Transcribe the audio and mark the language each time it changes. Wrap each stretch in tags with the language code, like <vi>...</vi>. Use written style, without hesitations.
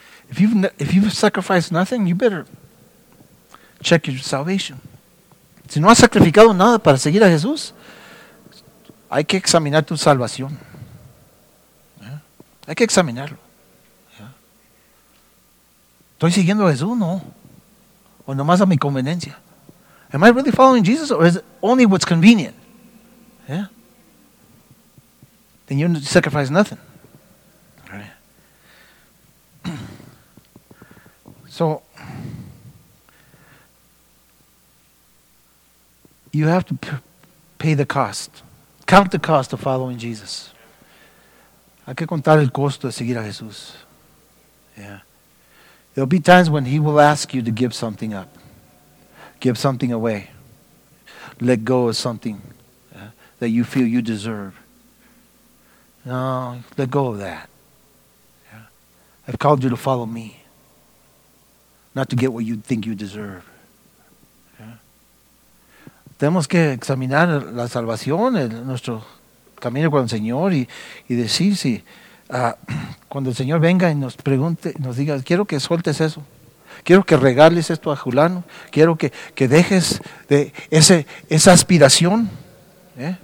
<en>If you've sacrificed nothing, you better check your salvation.</en> <es>Si no has sacrificado nada para seguir a Jesús, hay que examinar tu salvación. ¿Eh? Hay que examinarlo. ¿Eh? ¿Estoy siguiendo a Jesús? No. O nomás a mi conveniencia.</es> <en>Am I really following Jesus or is it only what's convenient? ¿Eh? Then you sacrifice nothing. Right. So, you have to pay the cost. Count the cost of following Jesus.</en> <es>Hay que contar el costo de seguir a Jesús.</es> <en>Yeah. There'll be times when he will ask you to give something up. Give something away. Let go of something that you feel you deserve. No, let go of that. Yeah. I've called you to follow me. Not to get what you think you deserve.</en> <es>Tenemos que examinar la salvación, nuestro camino con el Señor y decir si cuando el Señor venga y nos pregunte, nos diga, quiero que sueltes eso, quiero que regales esto a Julano, quiero que dejes de esa aspiración, ¿eh?</es>